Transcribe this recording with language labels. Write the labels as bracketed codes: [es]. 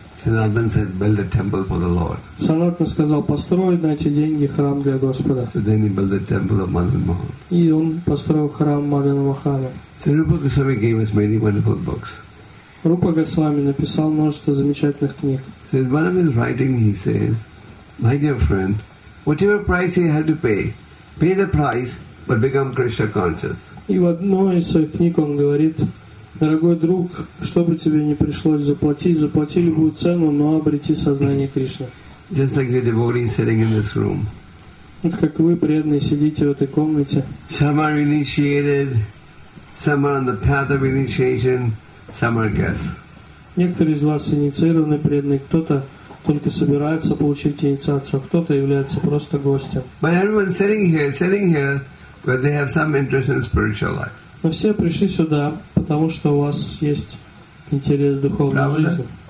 [en] Sanatana said, "Build a temple for the Lord." [ru] Sanatana сказал, построй на эти деньги храм для Господа. [en] So then he built the temple of Madan Mohan. [ru] И он построил храм Мадана Махана. [en] So Rupa Goswami gave us many wonderful books. [ru] Rupa Goswami написал множество замечательных книг. [en] So in one of his writing, he says, "My dear friend, whatever price you have to pay, pay the price, but become Krishna conscious." [ru] И в одной из своих книг он говорит. Дорогой друг, что бы тебе не пришлось заплатить, заплати любую цену, но обрети сознание Кришны. [en] Just like your devotee sitting in this room. [ru] Как вы, преданные, сидите в этой комнате. [en] Some are initiated, some are on the path of initiation, some are guests. [ru] Некоторые из вас инициированы, преданные, кто-то только собирается получить инициацию, а кто-то является просто гостем. [en] But everyone sitting here, but they have some interest in spiritual life. [ru] Но все пришли сюда, потому что у вас есть интерес к духовной жизни.